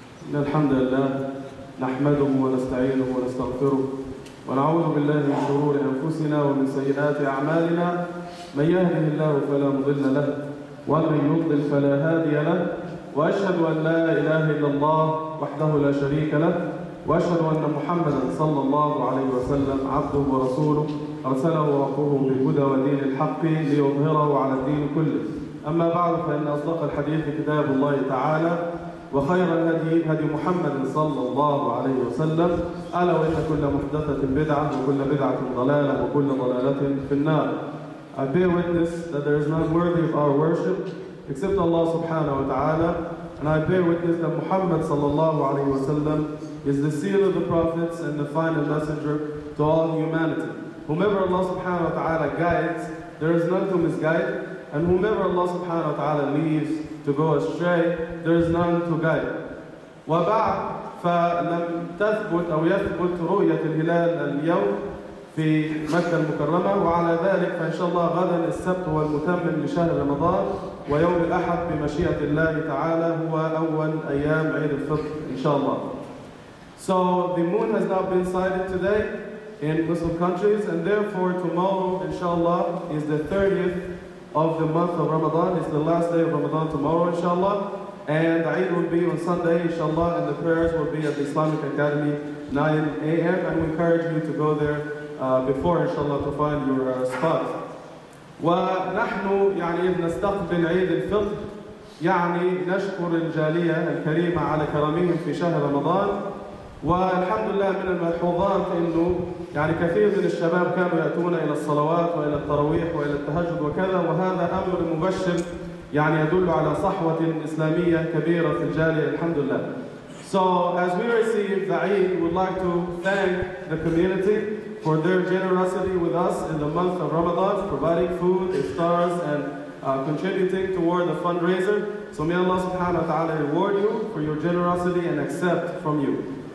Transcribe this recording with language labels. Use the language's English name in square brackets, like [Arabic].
[Arabic] إن الحمد لله نحمده ونستعينه ونستغفره ونعوذ بالله من شرور أنفسنا ومن سيئات أعمالنا، من يهده الله فلا مضل له ومن يضلل فلا هادي له، وأشهد أن لا إله إلا الله وحده لا شريك له، وأشهد أن محمدا صلى الله عليه وسلم عبده ورسوله أرسله ربه بالهدى ودين الحق ليظهره على الدين كله. أما بعد، فإن أصدق الحديث كتاب الله تعالى وخير الهدي هدي محمد صلى الله عليه وسلم، ألا وإن كل محدثة بدعة وكل بدعة ضلالة وكل ضلالة في النار. [English] I bear witness that there is none worthy of our worship except Allah subhanahu wa ta'ala, and I bear witness that Muhammad sallallahu alayhi wa sallam is the seal of the prophets and the final messenger to all humanity. Whomever Allah subhanahu wa ta'ala guides, there is none to misguide, and whomever Allah subhanahu wa ta'ala leaves to go astray, there is none to guide. [Arabic] وبعد فلم تثبت أو يثبت رؤية الهلال اليوم في مكة المكرمة، وعلى ذلك فإن شاء الله غدا السبت هو المتمم لشهر رمضان، ويوم الأحد بمشيئة الله تعالى هو أول أيام عيد الفطر إن شاء الله. [English] So the moon has not been sighted today in Muslim countries, and therefore tomorrow [Arabic] إن شاء الله [English] is the 30th of the month of Ramadan. It's the last day of Ramadan tomorrow [Arabic] إن شاء الله. [English] And Eid will be on Sunday, inshallah, and the prayers will be at the Islamic Academy, 9 a.m. And we encourage you to go there before, inshallah, to find your spot. [Arabic] ونحن يعني نستقبل عيد الفطر يعني نشكر الجالية الكريمة على كرمهم في شهر رمضان، والحمد لله من الملحوظات إنه يعني كثير من الشباب كانوا يأتون إلى الصلوات وإلى التراويح وإلى التهجد وكذا، وهذا أمر مبشر يعني يدل على صحوة إسلامية كبيرة في الجالية الحمد لله. [English] So as we receive the Eid, we'd like to thank the community for their generosity with us in the month of Ramadan, providing food, iftars, and contributing toward the fundraiser. So may Allah subhanahu wa ta'ala reward you for your generosity and accept from you.